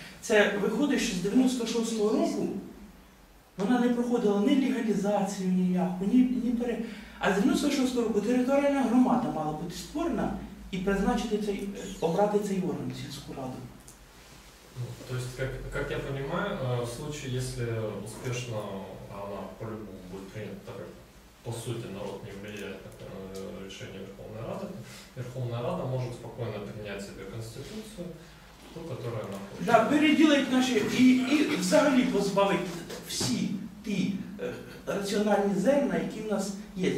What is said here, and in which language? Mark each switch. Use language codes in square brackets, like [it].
[uk] Це виходить, що з 96-го року вона не проходила ні легалізацію ніяку, ні пере... А з 96-го року територіальна громада мала бути створена і призначити цей, обрати цей орган, сільську раду. [ru] То есть, как я понимаю, в случае, если успешно она по-любому будет принята, по сути, народ не влияет на решение Верховной Рады, Верховная Рада может спокойно принять себе Конституцию, ту, которую она хочет. Да, переделать наши [uk] и взагалі позбавить всі ті раціональні зерна, які в нас є.